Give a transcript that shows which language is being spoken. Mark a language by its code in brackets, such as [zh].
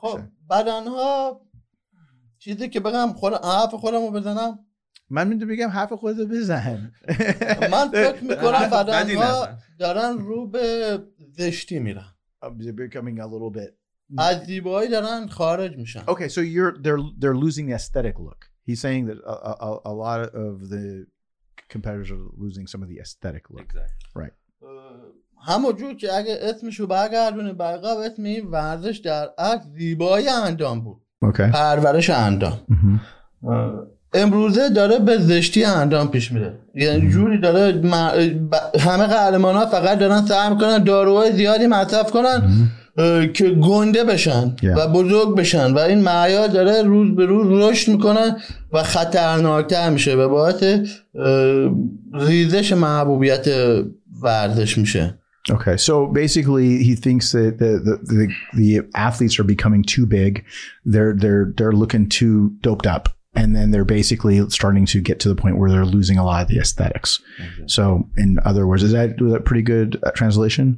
[fa] خب بدنها چیزی که بگم حرف خودم رو بزنم. من میتونم بگم حرف خودت رو بزن. من فکر میکنم بدنها دارن رو به زشتی میرن. [en] Becoming a little bit. [fa] از زیبایی دارن خارج میشن. [en] Okay, so they're losing the aesthetic look. He's saying that a lot of the competitors are losing some of the aesthetic look. Exactly. Right. [fa] همونجور که اگه اسمشو برگردونه برقاب اسم این ورزش در عکس زیبایی اندام بود. [en] Okay. [fa] پرورش اندام. Mm-hmm. امروزه داره به زشتی اندام پیش میره. یعنی جوری داره همه قهرمان ها فقط دارن سعی میکنن داروهای زیادی مصرف کنن. که گنده بشن و بزرگ بشن و این معیار داره روز به روز رشد میکنه و خطرناکتر میشه به باعث ریزش محبوبیت ورزش میشه. [en] Okay, so basically he thinks that the athletes are becoming too big. They're looking too doped up and then they're basically starting to get to the point where they're losing a lot of the aesthetics. Okay. So in other words, is that pretty good translation?